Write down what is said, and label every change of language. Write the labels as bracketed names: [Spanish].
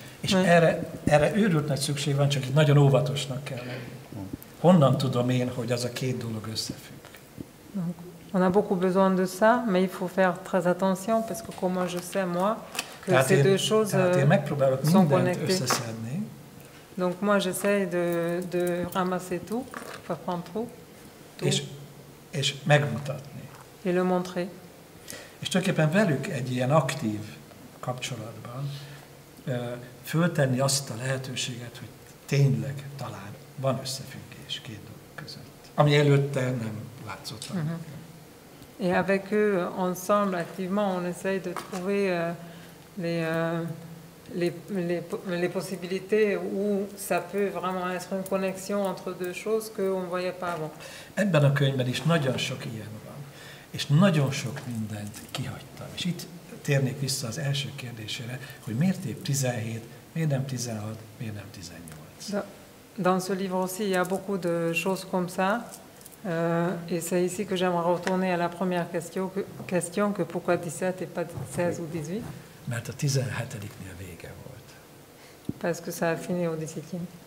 [Hungarian] És erre őrült nagy szükség van, csak itt nagyon óvatosnak kell lenni. Honnan tudom én, hogy az a két dolog összefügg? [French] On a beaucoup besoin de ça, mais il faut faire très attention, parce que comment je sais moi que ces deux choses sont connectées. [Hungarian] Tehát én megpróbálok mindent összeszedni. [French] Donc moi j'essaie de ramasser tout, pas prendre trop. [Hungarian] És megmutatni. [French] Et le montrer. [Hungarian] És tulajdonképpen velük egy ilyen aktív kapcsolatban föltenni azt a lehetőséget, hogy tényleg talán van összefüggés két dolog között, ami előtte nem látszott. Uh-huh. [French] Et avec eux ensemble activement on essaye de trouver les possibilités où ça peut vraiment être une connexion entre deux choses que on voyait pas avant. [Hungarian] Ebben a könyvben is nagyon sok ilyen van, és nagyon sok mindent kihagytam. És itt térnék vissza az első kérdésére, hogy miért épp 17, miért nem 16, miért nem 18. [French] Dans ce livre aussi il y a beaucoup de choses comme ça. Et c'est ici que j'aimerais retourner à la première question que pourquoi 17 et pas 16 ou 18? [Hungarian] Mert a 17-nél vége volt. [French] Parce que ça a fini au 17e.